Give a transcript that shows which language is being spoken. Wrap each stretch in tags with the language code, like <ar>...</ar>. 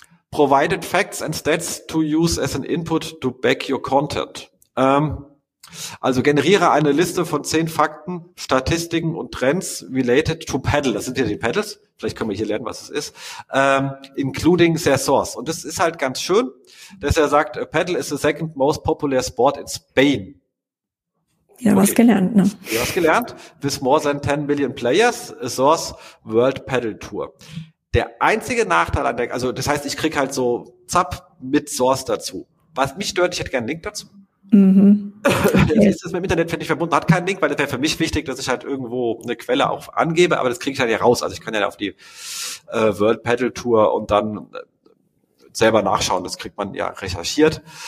<en>Provided facts and stats to use as an input to back your content.</en> <de>Also generiere eine Liste von 10 Fakten, Statistiken und Trends</de> <en>related to Paddle.</en> <de>Das sind ja die Paddles. Vielleicht können wir hier lernen, was es ist.</de> <en>Including their source.</en> <de>Und das ist halt ganz schön, dass er sagt,</de> <en>Paddle is the second most popular sport in Spain.</en> <de>Ja, okay. Was gelernt, ne? Ja, was gelernt.</de> <en>With more than 10 million players, a source World Paddle Tour.</en> <de>Der einzige Nachteil an der, also das heißt, ich krieg halt so Zap mit Source dazu. Was mich stört, ich hätte gerne einen Link dazu. Okay. Das ist mit dem Internet, finde ich, verbunden, hat keinen Link, weil das wäre für mich wichtig, dass ich halt irgendwo eine Quelle auch angebe, aber das kriege ich dann ja raus. Also ich kann ja auf die World Paddle Tour und dann selber nachschauen, das kriegt man ja recherchiert.</de>